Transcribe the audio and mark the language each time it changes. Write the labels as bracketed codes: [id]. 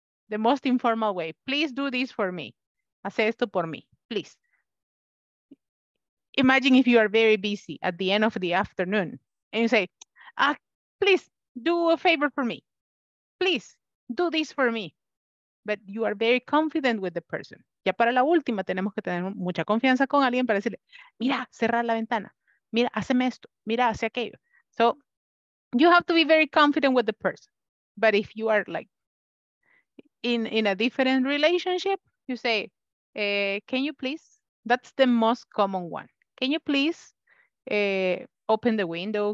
[en] The most informal way. Please do this for me. [es] Hace esto por mí. [en] Please. Imagine if you are very busy at the end of the afternoon and you say, please do a favor for me. Please do this for me. But you are very confident with the person. [es] Ya para la última tenemos que tener mucha confianza con alguien para decirle, mira, cerrar la ventana. Mira, haceme esto. Mira, hace aquello. [en] So you have to be very confident with the person. But if you are like, in a different relationship, you say, can you please? That's the most common one. Can you please open the window?